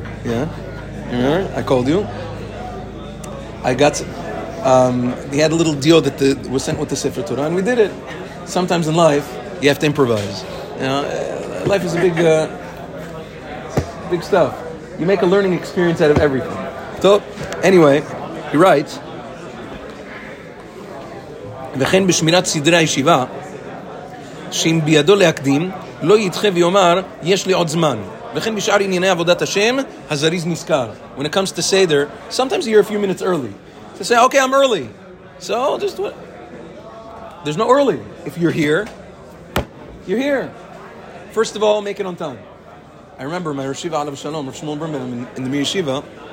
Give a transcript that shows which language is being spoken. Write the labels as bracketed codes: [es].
[en] Yeah. You remember? I called you. I got... he had a little deal that was sent with the Sefer Torah, and we did it. Sometimes in life, you have to improvise. You know, life is a big big stuff. You make a learning experience out of everything. So, anyway, he writes, [he] וכן בשמירת סדרי הישיבה, שאם בידו להקדים, לא ידחה ויאמר, יש לי עוד זמן. וכן בשאר ענייני עבודת השם, הזריז נזכר. [en] When it comes to Seder, sometimes you're a few minutes early. To say, okay, I'm early. So, just what? There's no early. If you're here, you're here. First of all, make it on time. I remember my Rosh Yeshiva, [he] Alav Shalom, [en] Rosh Shmuel Berman, in the Mir Yeshiva.